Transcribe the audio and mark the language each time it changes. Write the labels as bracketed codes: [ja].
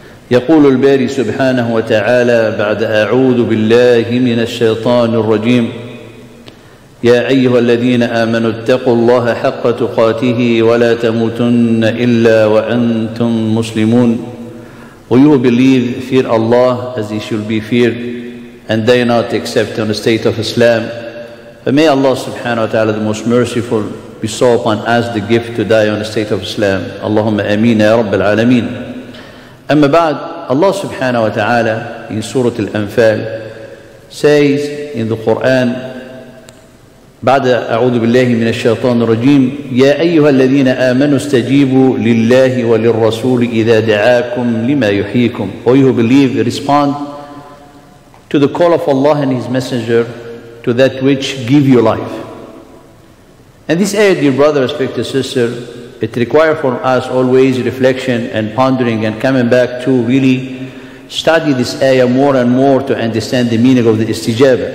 [ar] يقول الباري سبحانه وتعالى بعد أعوذ بالله من الشيطان الرجيم: يا أيها الذين آمنوا اتقوا الله حق تقاته ولا تموتن إلا وأنتم مسلمون. [en] Will you believe, fear Allah as he should be feared, and dare not except on the state of Islam. But may Allah subhanahu wa ta'ala, the most merciful, bestow upon us the gift to die on the state of Islam. [ar] Allahumma ameen ya rabbal alameen. [en] Amma ba'd, Allah subhanahu wa ta'ala in Surah Al-Anfal says in the Quran, [ar] بعد أعوذ بالله من الشيطان الرجيم يا أيها الذين آمنوا استجيبوا لله وللرسول إذا دعاكم لما يحييكم. [en] Or you believe, respond to the call of Allah and His Messenger to that which give you life. And this ayah, dear brother, respected sister, it requires for us always reflection and pondering and coming back to really study this ayah more and more to understand the meaning of the istijaba.